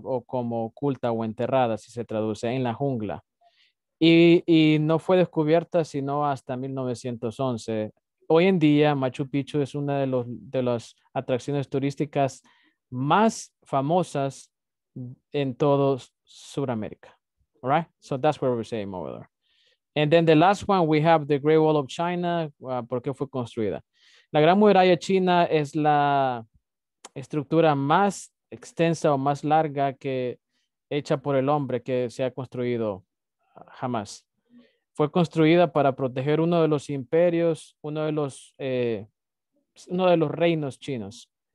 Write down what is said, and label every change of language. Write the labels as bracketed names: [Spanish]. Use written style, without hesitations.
[Spanish] O como oculta o enterrada, si se traduce, en la jungla. Y no fue descubierta sino hasta 1911. Hoy en día, Machu Picchu es una de las atracciones turísticas más famosas en todo Sudamérica. [English] All right? So that's where we say over there. And then the last one, we have the Great Wall of China. [Spanish] ¿Por qué fue construida? La Gran Muralla China es la estructura más extensa o más larga que hecha por el hombre que se ha construido jamás. Fue construida para proteger uno de los imperios, uno de los reinos chinos.